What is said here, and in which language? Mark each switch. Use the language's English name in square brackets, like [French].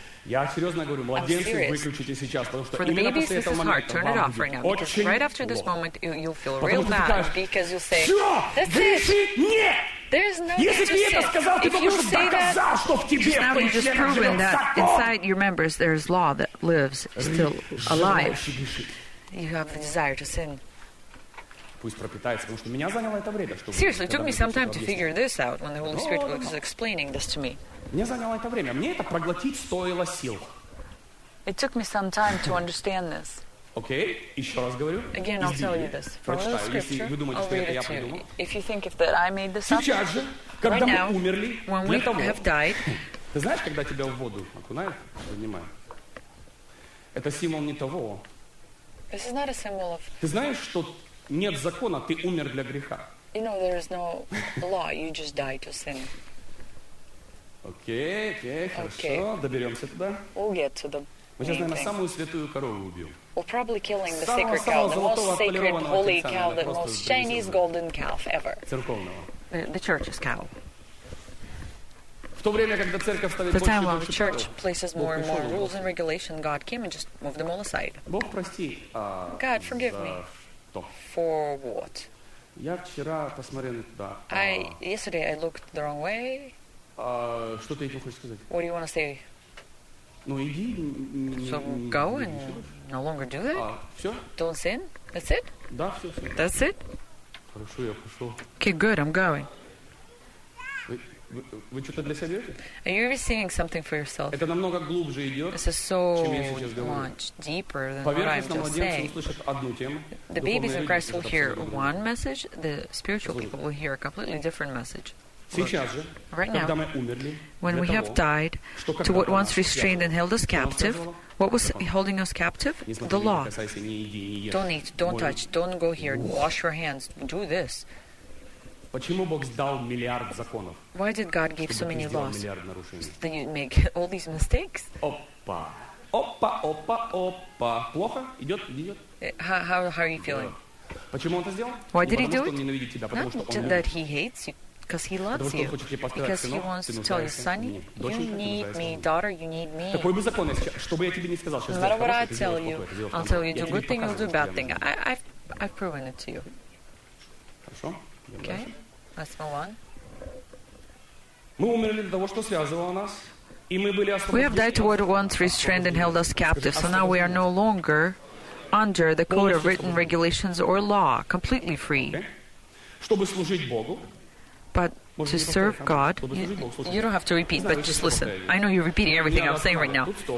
[Russian] Я серьезно говорю, младенцы, выключите сейчас, потому что именно после этого момента [English] turn it off right now, because right after this moment you'll feel real bad, because you'll say, that's it. Нет. There's no [Russian] если ты это сказал, ты должен доказать, что в тебе проявлен закон. [English] Inside your members there's law that lives still alive. You have the desire to sin. [Russian] Пусть пропитается, потому что меня заняло это время, чтобы. [English] Seriously, it took me some time to figure this out when the Holy Spirit was explaining this to me. [Russian] Мне заняло это время, мне это проглотить стоило сил. [English] It took me some time to understand this. [Russian] Окей, еще раз говорю. [English] Again, I'll tell you this. [Russian] Прочитаю, если вы думаете, что это я придумал. [English] If you think that I made this up. [Russian] Сейчас же, когда мы умерли, [English] when we have died. [Russian] Ты знаешь, когда тебя в воду окунают, поднимают? Это символ не того. [English] This is not a symbol of. [Russian] Ты знаешь, что нет закона, ты умер для греха. [English] You know, there is no law. You just die to sin. [Russian] Окей, окей, хорошо. Доберемся туда. [English] We'll get to the. [Russian] Мы сейчас, наверное, самую святую корову убьем. [English] We're probably killing the sacred cow, the most sacred holy cow, the most Chinese golden calf ever. [Russian] Церковного. [English] The church's cow. [Russian] В то время, когда церковь ставит больше и больше [English] church places more and more rules and regulation, God came and just moved them all aside. [Russian] Бог прости. [English] God, forgive me. For what? [Russian] Я вчера посмотрел туда. [English] Yesterday I looked the wrong way. [Russian] Что ты этим хочешь сказать? [English] What do you want to say? [Russian] Ну иди. [English] So go and no longer do that. [Russian] Все? [English] Don't sin. That's it. [Russian] Да, все, все. [English] That's it. [Russian] Хорошо, я пошел. [English] Okay, good. I'm going. [Russian] Вы что-то для себя берете? [English] Are you receiving something for yourself? [Russian] Это намного глубже идет, чем я сейчас говорю. [English] This is so much deeper than what I'm just saying. [Russian] Поверхностно младенцы услышат одну тему. [English] The babies of Christ will hear one message. The spiritual people will hear a completely different message. [Russian] Сейчас же, [English] right now, [Russian] когда мы умерли, [English] when we have died to what once restrained and held us captive, what was holding us captive? The law. Don't eat, don't touch, don't go here, wash your hands, do this. [Russian] Почему Бог сдал миллиард законов? [English] Why did God give so many laws? Then you make all these mistakes? [Russian] Опа. Опа, опа, опа. Плохо? Идет? Идет? [English] How are you feeling? [Russian] Почему он это сделал? [English] Why did he do it? Not that he hates you, because he loves you. Because he wants to tell you, son, you need me, daughter, you need me. [Russian] Какой бы закон, что бы я тебе не сказал, сейчас сделаешь хорошее, ты сделаешь плохое, ты сделаешь хорошее. [English] I'll tell you, do good thing, you'll do bad thing. I've proven it to you. [Russian] Хорошо. [English] Okay, let's move on. [Russian] Мы умерли для того, что связывало нас, и мы были освобождены. [English] We have died to what once restrained and held us captive, so now we are no longer under the code of written regulations or law, completely free. [Russian] Чтобы служить Богу. [English] But to serve God, you don't have to repeat, but just listen. I know you're repeating everything I'm saying right now.